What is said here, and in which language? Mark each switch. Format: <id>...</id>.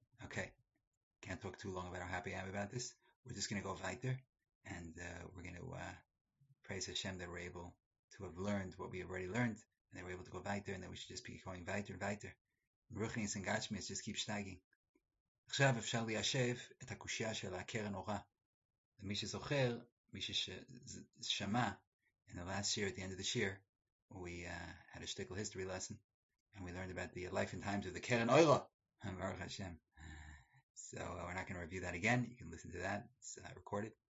<en>Okay, can't talk too long about how happy I am about this. We're just going to go right there, and we're going to praise Hashem that we're able to have learned what we already learned, and that we're able to go right there, and that we should just be going right there, right there. Ruchnis and Gashmis just keep stagging.</en> <he>עכשיו אפשר ליישב את הקושיה של הקרן אורה. למי שזוכר, מי ששמע,</he> <en>in the last year, at the end of the year, we had a shtickle history lesson, and we learned about the life and times of the Keren Ora. Baruch Hashem. So we're not going to review that again. You can listen to that. It's recorded.</en>